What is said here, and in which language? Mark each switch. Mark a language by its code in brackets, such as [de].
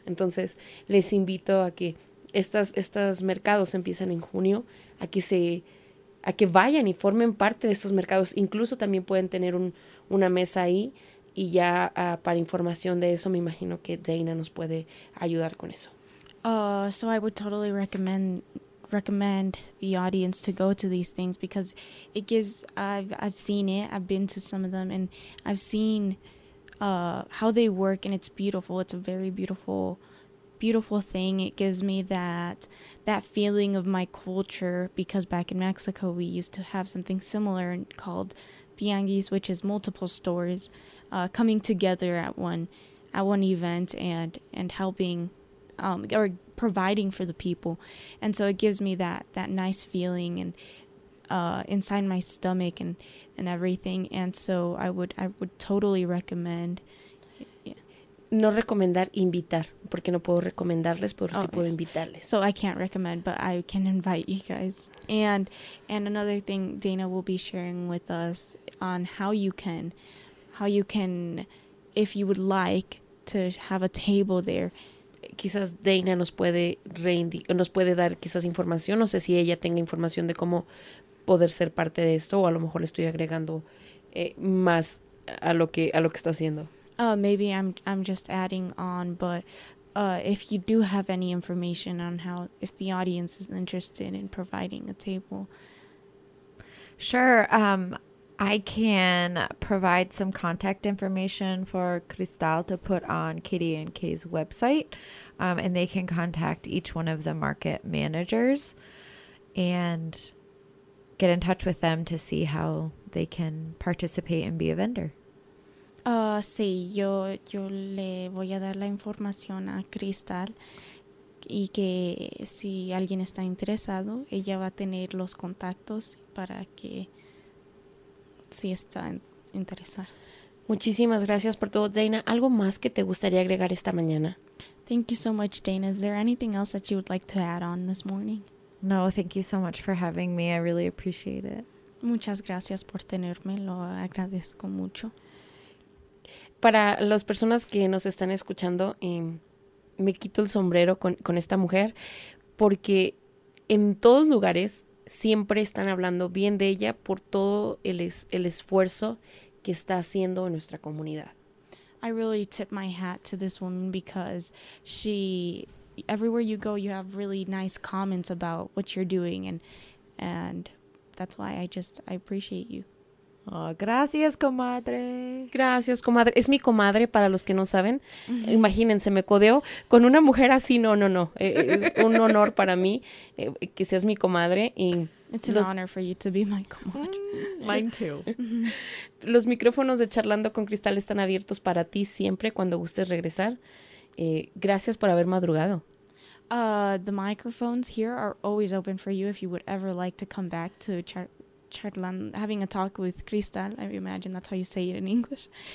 [es] Entonces, les invito a que estos mercados empiezan en junio, a que vayan y formen parte de estos mercados. Incluso también pueden tener una mesa ahí. Y ya, para información de eso, me imagino que Dana nos puede ayudar con eso. [en] So I would totally recommend the audience to go to these things because it gives I've seen it, I've been to some of them and I've seen how they work and it's beautiful. It's a very beautiful, beautiful thing. It gives me that feeling of my culture because back in Mexico we used to have something similar called tianguis, which is multiple stores coming together at one event and helping or providing for the people. And so it gives me that nice feeling and inside my stomach and everything. And so I would totally recommend. [es] No recomendar invitar, porque no puedo recomendarles, pero sí [en] Oh, [es] puedo [en] yes. [es] invitarles. [en] So I can't recommend, but I can invite you guys. And another thing Dana will be sharing with us on how you can, if you would like to have a table there. [es] Quizás Dana nos puede dar quizás información. No sé si ella tenga información de cómo poder ser parte de esto, o a lo mejor le estoy agregando más a lo que está haciendo. [en] Maybe I'm just adding on, but if you do have any information on how, if the audience is interested in providing a table. Sure. I can provide some contact information for Cristal to put on Katie and Kay's website, and they can contact each one of the market managers and get in touch with them to see how they can participate and be a vendor. [es] Sí, yo le voy a dar la información a Cristal y que si alguien está interesado, ella va a tener los contactos para que si está interesada. Muchísimas gracias por todo, Dana. ¿Algo más que te gustaría agregar esta mañana? [en] Thank you so much, Dana. Is there anything else that you would like to add on this morning? No, thank you so much for having me. I really appreciate it. [es] Muchas gracias por tenerme. Lo agradezco mucho. Para las personas que nos están escuchando, me quito el sombrero con esta mujer porque en todos lugares siempre están hablando bien de ella por todo el esfuerzo que está haciendo en nuestra comunidad. [en] I really tip my hat to this woman because she, everywhere you go, you have really nice comments about what you're doing, and that's why I appreciate you. [es] Oh, gracias, comadre. Gracias, comadre. Es mi comadre, para los que no saben. Mm-hmm. Imagínense, me codeo con una mujer así. No. Es un honor para mí que seas mi comadre. Y [en] it's an honor for you to be my comadre. Mine too. [es] Los micrófonos de Charlando con Cristal están abiertos para ti siempre cuando gustes regresar. Gracias por haber madrugado. [en] The microphones here are always open for you if you would ever like to come back to Charlan, having a talk with Cristal. I imagine that's how you say it in English.